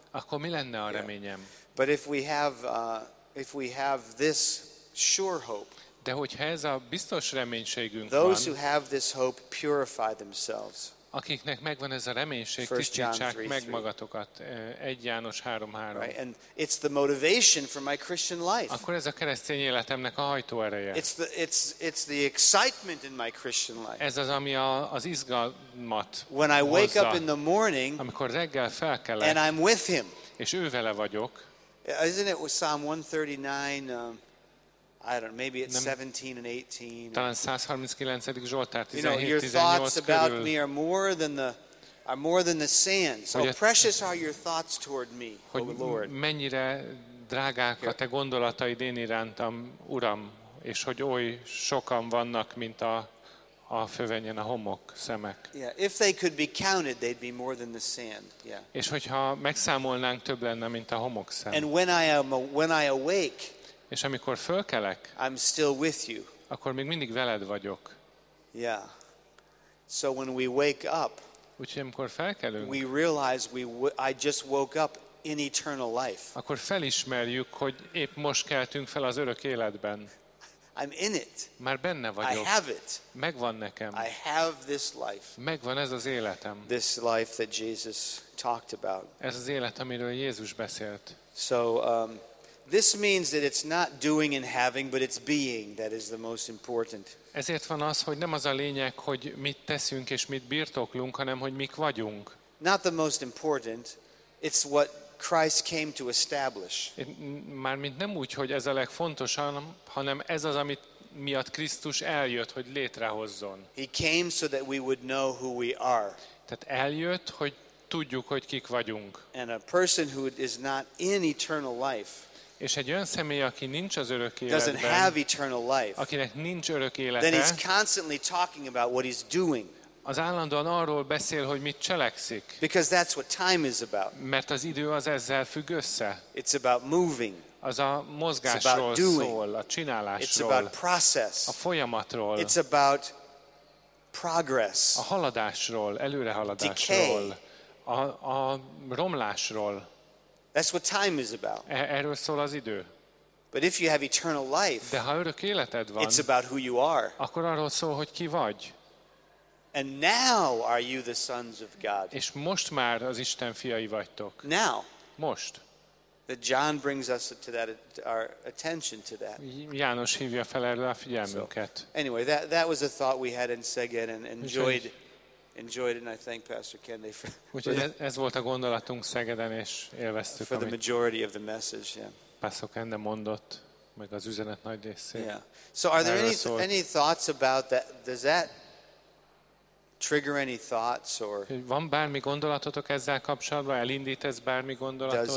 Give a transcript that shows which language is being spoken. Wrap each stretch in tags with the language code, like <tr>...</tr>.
<hu>Akkor mi lenne a reményem?</hu> <en>But if we have this sure hope.</en> <hu>De hogyha ez a biztos reménységünk van.</hu> <en>Those who have this hope purify themselves.</en> <hu>Akiknek megvan ez a reménység, tisztítsák meg magatokat. 1 János 3:3.</hu> <en>Right. And it's the motivation for my Christian life.</en> <hu>Akkor ez a keresztény életemnek a hajtóereje.</hu> <en>It's the excitement in my Christian life.</en> <hu>Ez az, ami az izgalmat hozza.</hu> <en>When I wake up in the morning,</en> <hu>amikor reggel felkelek,</hu> <en>and I'm with him.</en> <hu>És ő vele vagyok.</hu> <en>Isn't it Psalm 139? I don't know, maybe it's 17 and 18.</en> <hu>Talán 139. Zsoltár 17-18.</hu> <en>Your thoughts about me are more than the sand. So precious are your thoughts toward me, O Lord.</en> <hu>Mennyire drágák a te gondolataid én irántam, Uram, és hogy oly sokan vannak, mint a fövenyen a homok, szemek.</hu> <en>Yeah, if they could be counted, they'd be more than the sand. Yeah.</en> <hu>És hogyha megszámolnánk, több lenne, mint a homok szem.</hu> <en>And when I awake,</en> <hu>és amikor fölkelek,</hu> <en>I'm still with you.</en> <hu>Akkor még mindig veled vagyok.</hu> <en>Yeah. So when we wake up, we realize I just woke up in eternal life.</en> <hu>Akkor felismerjük, hogy épp most keltünk fel az örök életben.</hu> <en>I'm in it.</en> <hu>Már benne vagyok.</hu> <en>I have it.</en> <hu>Megvan nekem.</hu> <en>I have this life.</en> <hu>Megvan ez az életem.</hu> <en>This life that Jesus talked about.</en> <hu>Ez az élet, amiről Jézus beszélt.</hu> <en>So this means that it's not doing and having, but it's being that is the most important.</en> <hu>Ezért van az, hogy nem az a lényeg, hogy mit teszünk és mit birtoklunk, hanem hogy mik vagyunk.</hu> <en>Not the most important, it's what Christ came to establish.</en> <hu>Mármint nem úgy, hogy ez a legfontosabb, hanem ez az, amit miatt Krisztus eljött, hogy létrehozzon.</hu> <en>He came so that we would know who we are.</en> <hu>Tehát eljött, hogy tudjuk, hogy kik vagyunk.</hu> <en>And a person who is not in eternal life.</en> <hu>És egy olyan személy, aki nincs az örök életben,</hu> <en>doesn't have eternal life.</en> <hu>Akinek nincs örök élete.</hu> <en>Then he's constantly talking about what he's doing.</en> <hu>Az állandóan arról beszél, hogy mit cselekszik.</hu> <en>Because that's what time is about.</en> <hu>Mert az idő az ezzel függ össze.</hu> <en>It's about moving.</en> <hu>Az a mozgásról szól, a csinálásról.</hu> <en>It's about process.</en> <hu>A folyamatról.</hu> <en>It's about progress.</en> <hu>A haladásról, előrehaladásról.</hu> <en>Decay.</en> <hu>A romlásról.</hu> <en>That's what time is about.</en> <hu>Erről szól az idő.</hu> <en>But if you have eternal life,</en> <hu>de ha örök életed van,</hu> <en>it's about who you are.</en> <hu>Akkor arról szól, hogy ki vagy.</hu> <en>And now are you the sons of God?</en> <hu>És most már az Isten fiai vagytok.</hu> <en>Now.</en> <hu>Most.</hu> <en>That John brings us to that, our attention to that.</en> <hu>János hívja fel erre a figyelmünket.</hu> <en>So, anyway, that was a thought we had in Szeged and enjoyed it, and I thank Pastor Kendi for.</en> <hu>Úgyhogy ez volt a gondolatunk Szegeden, és élveztük.</hu> <en>For the majority of the message, yeah.</en> <hu>Pastor Kendi mondott, meg az üzenet nagy részét.</hu> <en>Yeah. So are there any thoughts about that? Does that trigger any thoughts or?</en> <hu>Van bármi gondolatotok ezzel kapcsolatban? Elindít ez bármi gondolatot?</hu>